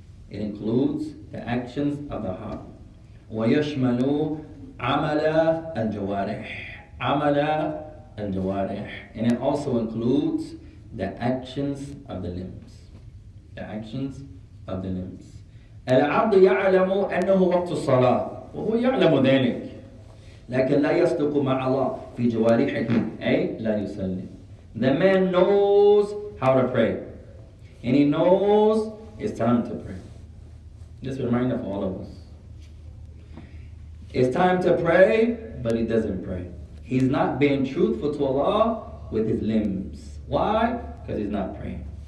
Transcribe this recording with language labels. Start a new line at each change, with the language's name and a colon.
English: It includes the actions of the heart.
Arabic: ويشمل عمل الجوارح. عمل الجوارح.
English: And it also includes the actions of the limbs. The actions of the limbs.
Arabic: العبد يعلم أنه وقت الصلاة. وهو يعلم ذلك. لكن لا يصدق مع الله في جوارحه. أي لا يسلم.
English: The man knows how to pray. And he knows it's time to pray. This reminder for all of us. It's time to pray, but he doesn't pray. He's not being truthful to Allah with his limbs. Why? Because he's not praying.